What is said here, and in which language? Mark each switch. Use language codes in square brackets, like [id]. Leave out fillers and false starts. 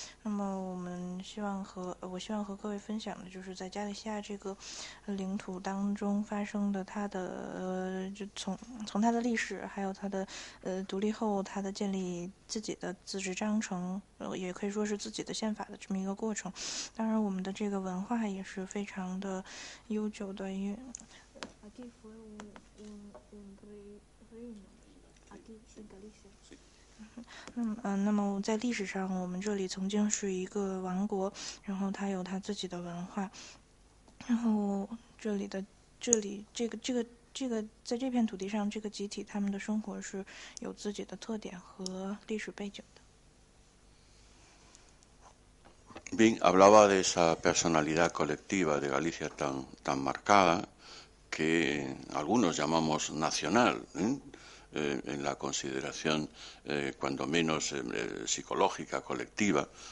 [zh] 那么，我希望和各位分享的就是在加利西亚这个领土当中发生的它的，就从它的历史，还有它的独立后它的建立自己的自治章程，也可以说是自己的宪法的这么一个过程。当然，我们的这个文化也是非常的悠久的，因为 [es] aquí fue un reino aquí en Galicia。 [zh] 那么在历史上，我们这里曾经是一个王国，然后它有它自己的文化，然后这里的这里这个这个这个在这片土地上，这个集体他们的生活是有自己的特点和历史背景的。 [es] Bien, hablaba de esa personalidad colectiva de Galicia tan marcada, que algunos llamamos nacional, en la consideración, cuando menos psicológica, colectiva,